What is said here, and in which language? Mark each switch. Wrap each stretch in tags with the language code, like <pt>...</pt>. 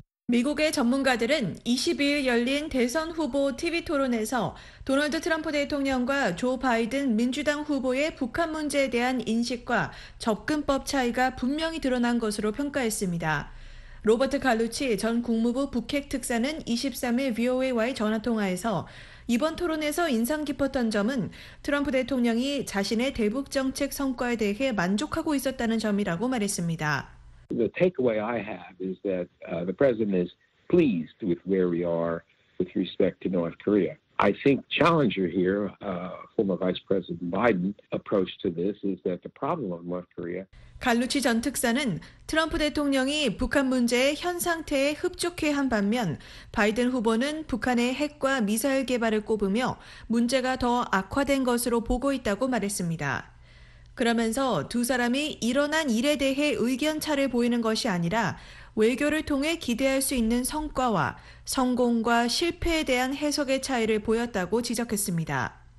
<ko>미국의 전문가들은 22일 열린 대선 후보 TV 토론에서 도널드 트럼프 대통령과 조 바이든 민주당 후보의 북한 문제에 대한 인식과 접근법 차이가 분명히 드러난 것으로 평가했습니다. 로버트 갈루치 전 국무부 북핵 특사는 23일 VOA와의 전화통화에서 이번 토론에서 인상 깊었던 점은 트럼프 대통령이 자신의 대북 정책 성과에 대해 만족하고 있었다는 점이라고 말했습니다.</ko> <en>The takeaway I have is that the president is pleased with where we are with respect to North Korea. I think challenger here, former Vice President Biden approach to this is that the problem of North Korea.</en> <ko>갈루치 전 특사는 트럼프 대통령이 북한 문제의 현 상태에 흡족해 한 반면 바이든 후보는 북한의 핵과 미사일 개발을 꼽으며 문제가 더 악화된 것으로 보고 있다고 말했습니다. 그러면서 두 사람이 일어난 일에 대해 의견차를 보이는 것이 아니라 외교를 통해 기대할 수 있는 성과와 성공과 실패에 대한 해석의 차이를 보였다고 지적했습니다.</ko>